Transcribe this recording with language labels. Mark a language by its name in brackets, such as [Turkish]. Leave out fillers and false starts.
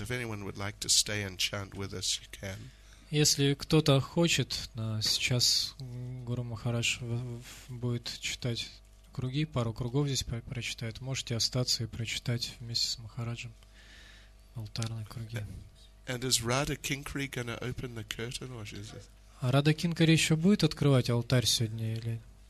[English] If anyone would like to stay and chant with us, you can. [Russian] Если кто-то хочет, сейчас Гуру Махарадж будет читать круги, пару кругов здесь прочитает. Можете остаться и прочитать вместе с Махараджем алтарные круги. [English] And is Radha Kinkari gonna open the curtain or is it? [Russian] А Радха Кинкари еще будет открывать алтарь сегодня или?